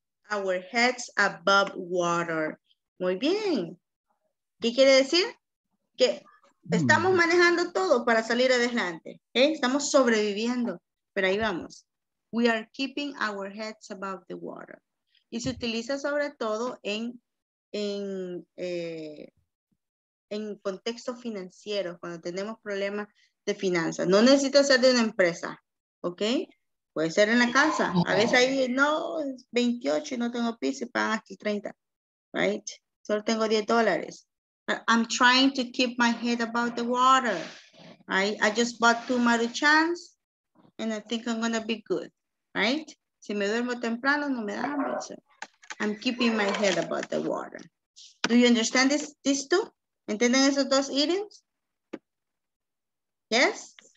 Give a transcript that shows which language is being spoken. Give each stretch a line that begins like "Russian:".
English: Our heads above water.
Spanish: Muy bien. ¿Qué quiere decir? Que estamos manejando todo para salir adelante. ¿Eh? Estamos sobreviviendo. Pero ahí vamos.
English: We are keeping our heads above the water.
Spanish: Y se utiliza sobre todo en contexto financiero, cuando tenemos problemas de finanzas. No necesita ser de una empresa, ¿ok? Puede ser en la casa. A veces ahí, no, es 28 y no tengo piso y pagan hasta 30, right? Solo tengo $10.
English: But I'm trying to keep my head above the water. Right? I just bought 2 maruchans and I think I'm going to be good, right?
Spanish: Si me duermo temprano, no me da mucho.
English: I'm keeping my head above the water. Do you understand this two?
Spanish: ¿Entienden esos dos idioms?
English: Yes?